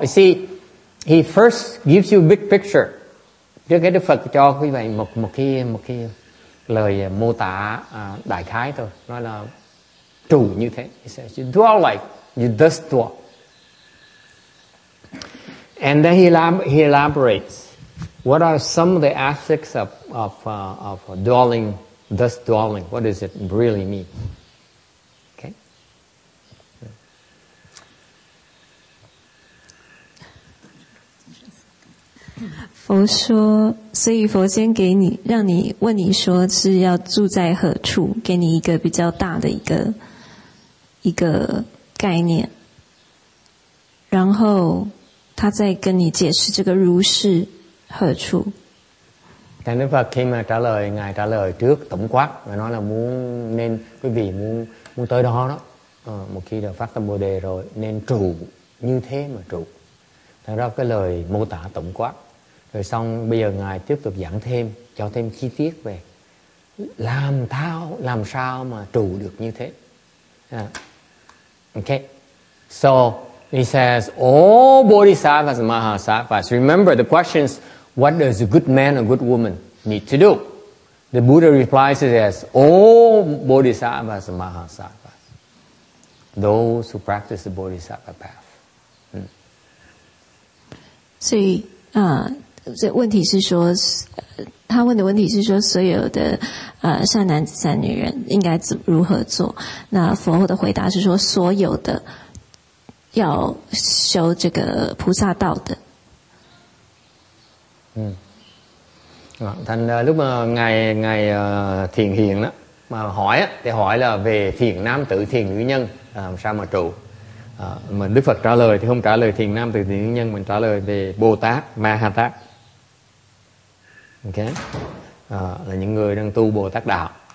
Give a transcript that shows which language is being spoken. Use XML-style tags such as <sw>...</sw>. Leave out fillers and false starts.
<en>You see, he first gives you a big picture.</en> <vi>Trước cái Đức Phật cho quý vị một cái lời mô tả đại khái thôi. Nói là trụ như thế.</vi> <en>He says, you dwell like, you thus dwell. And then he elaborates. What are some of the aspects of dwelling, thus dwelling? What does it really mean? Okay. Yeah.</en> <zh>佛说，所以佛先给你，让你问你说是要住在何处，给你一个比较大的一个概念，然后他再跟你解释这个如是。何处？但是佛</zh> <vi>khi mà trả lời ngài trả lời trước tổng quát và nói là muốn nên quý vị muốn tới đó đó một khi đã phát tâm bồ đề rồi nên trụ như thế mà trụ. Thật ra cái lời mô tả tổng quát rồi xong bây giờ ngài tiếp tục giảng thêm cho thêm chi tiết về làm sao mà trụ được như thế. Okay, so</vi> <en>He says, all bodhisattvas, mahasattvas, remember the question is, what does a good man or good woman need to do? The Buddha replies to this, all bodhisattvas, mahasattvas, those who practice the bodhisattva path.</en> <zh>所以，这问题是说，他问的问题是说，所有的善男子善女人应该如何做？那佛的回答是说，所有的要修这个菩萨道的。</zh> <vi>Thành ra lúc mà ngài thiền hiện đó mà hỏi á, thì hỏi là về thiền nam tử thiền nữ nhân làm sao mà trụ, mà Đức Phật trả lời thì không trả lời thiền nam tử thiền nữ nhân, mình trả lời về Bồ Tát Ma Ha Tát, ok, là những người đang tu Bồ Tát đạo.</vi>